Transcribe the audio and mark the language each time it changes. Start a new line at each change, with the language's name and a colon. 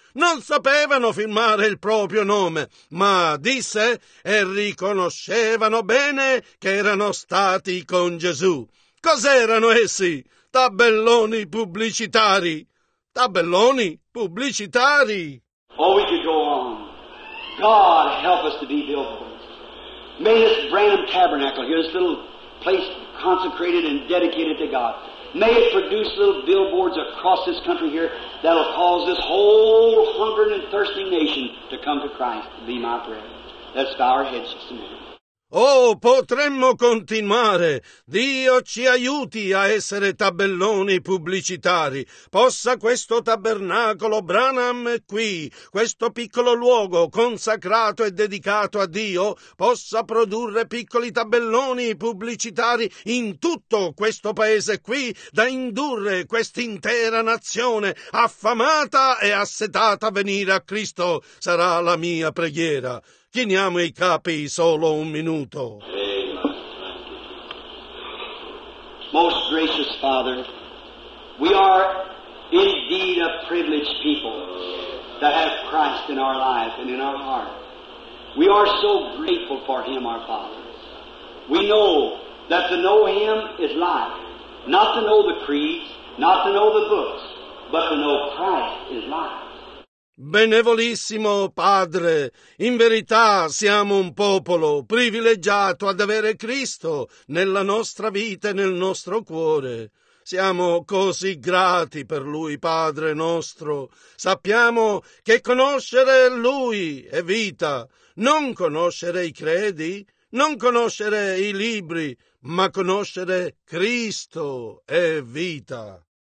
Italian: Non sapevano firmare il proprio nome, ma disse e riconoscevano bene che erano stati con Gesù. Cos'erano essi? Tabelloni pubblicitari. Tabelloni pubblicitari.
English: Oh, we could go on. God help us to be billboards. May this Branham Tabernacle here, this little place consecrated and dedicated to God, may it produce little billboards across this country here that'll cause this whole hungering and thirsting nation to come to Christ. Be my prayer. Let's bow our heads just a minute.
Italian: Oh, potremmo continuare. Dio ci aiuti a essere tabelloni pubblicitari. Possa questo tabernacolo Branham qui, questo piccolo luogo consacrato e dedicato a Dio, possa produrre piccoli tabelloni pubblicitari in tutto questo paese qui, da indurre quest'intera nazione affamata e assetata a venire a Cristo. Sarà la mia preghiera. Chiniamo i capi solo un minuto.
English: Most gracious Father, we are indeed a privileged people to have Christ in our life and in our heart. We are so grateful for Him, our Father. We know that to know Him is life. Not to know the creeds, not to know the books, but to know Christ is life.
Italian: Benevolissimo Padre, in verità siamo un popolo privilegiato ad avere Cristo nella nostra vita e nel nostro cuore. Siamo così grati per Lui, Padre nostro. Sappiamo che conoscere Lui è vita, non conoscere i credi, non conoscere i libri, ma conoscere Cristo è vita.